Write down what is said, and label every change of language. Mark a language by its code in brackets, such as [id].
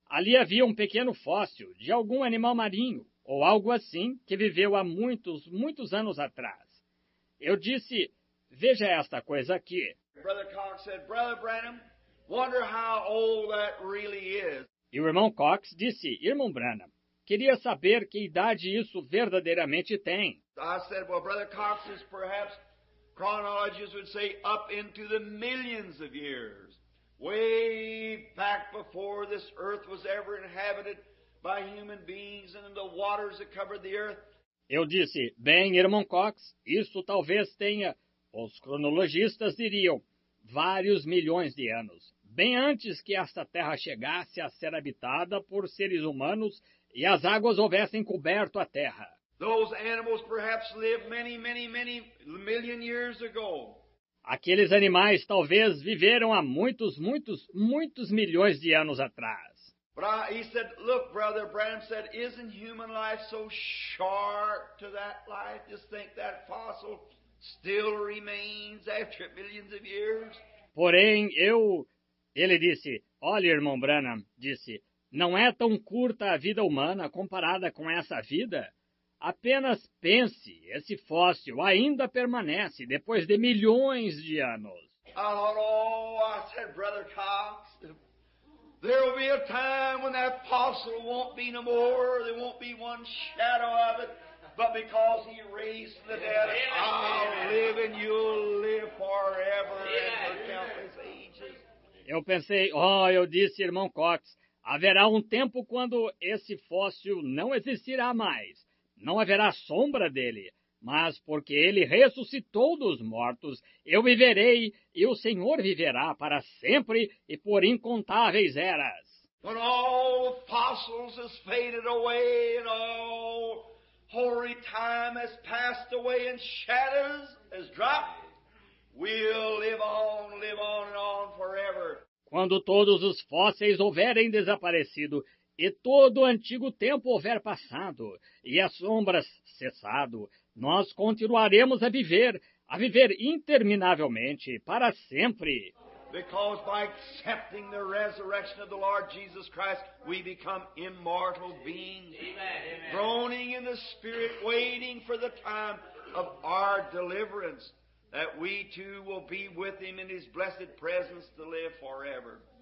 [pt] Ali havia um pequeno fóssil de algum animal marinho, ou algo assim, que viveu há muitos, muitos anos atrás. Eu disse, veja esta coisa aqui. [en] Brother Cox said, Brother Branham, wonder how old that really is. [pt] E o irmão Cox disse, irmão Branham, queria saber que idade isso verdadeiramente tem. [en] I said, well, Brother Cox is perhaps, chronologists would say, up into the millions of years. Way back before this earth was ever inhabited by human beings and the waters that covered the earth. [pt] Eu disse, bem, irmão Cox, isso talvez tenha, os cronologistas diriam, vários milhões de anos, bem antes que esta terra chegasse a ser habitada por seres humanos e as águas houvessem coberto a terra. [en] Those animals perhaps lived many, many, many million years ago. [pt] Aqueles animais talvez viveram há muitos, muitos, muitos milhões de anos atrás. [en] He said, look, Brother Branham said, isn't human life so short to that life? Just think that fossil still remains after millions of years. [pt] Porém, ele disse, olha, irmão Branham, disse, não é tão curta a vida humana comparada com essa vida? Apenas pense, esse fóssil ainda permanece depois de milhões de anos. [en] Oh, oh, I said, Brother Cox, there will be a time when that fossil won't be no more. There won't be one shadow of it. But because he raised the dead, I'll live and you'll live forever and for countless ages. [pt] Eu pensei, oh, eu disse, irmão Cox, haverá um tempo quando esse fóssil não existirá mais. Não haverá sombra dele, mas porque ele ressuscitou dos mortos, eu viverei e o Senhor viverá para sempre e por incontáveis eras. [en] When all the fossils has faded away and all hoary time has passed away and shadows has dropped, we'll live on and on forever. [pt] Quando todos os fósseis houverem desaparecido, e todo o antigo tempo houver passado, e as sombras cessado, nós continuaremos a viver interminavelmente, para sempre. [en] Because by accepting the resurrection of the Lord Jesus Christ, we become immortal beings. Amen, amen. Groaning in the spirit, waiting for the time of our deliverance, that we too will be with him in his blessed presence to live forever.